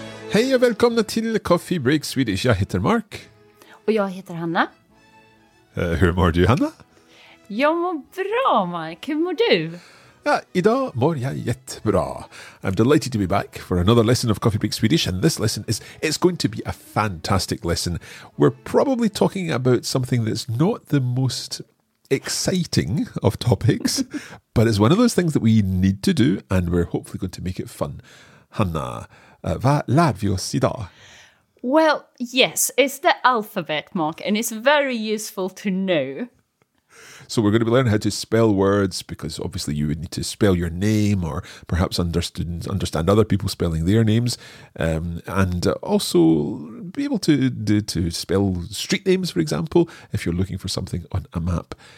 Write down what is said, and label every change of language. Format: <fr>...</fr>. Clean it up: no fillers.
<sv>Hej och välkomna till Coffee Break Swedish. Jag heter Mark. Och jag heter Hanna. Hur mår du, Hanna? Jag mår bra, Mark. Hur mår du? Ja, idag mår jag jättebra.</sv> <en>I'm delighted to be back for another lesson of Coffee Break Swedish, and this lesson is going to be a fantastic lesson. We're probably talking about something that's not the most exciting of topics, but it's one of those things that we need to do, and we're hopefully going to make it fun.</en> <sv>Hanna, vad lär vi oss idag?</sv> <en>Well, yes, it's the alphabet, Mark, and it's very useful to know. So we're going to be learning how to spell words, because obviously you would need to spell your name or perhaps understand other people spelling their names, and also be able to spell street names, for example, if you're looking for something on a map.</en>